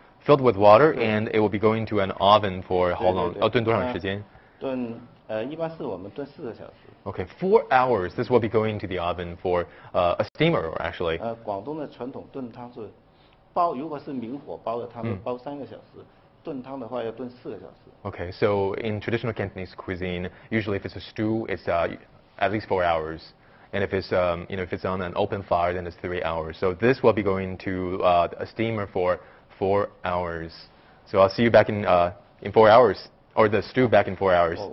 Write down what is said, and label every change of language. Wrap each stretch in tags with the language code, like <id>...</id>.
<en>Filled with water, and it will be going to an oven for how long?</en> <zh>炖多长时间？炖，一般是我们炖4个小时。Okay,</zh> <en>4 hours. This will be going to the oven for a steamer, actually.</en> <zh>广东的传统炖汤是煲，如果是明火煲的汤是煲3个小时，炖汤的话要炖4个小时。Okay,</zh> <en>so in traditional Cantonese cuisine, usually if it's a stew, it's at least 4 hours. And if it's if it's on an open fire, then it's 3 hours. So this will be going to a steamer for 4 hours. So I'll see you back in 4 hours, or the stew back in 4 hours.</en>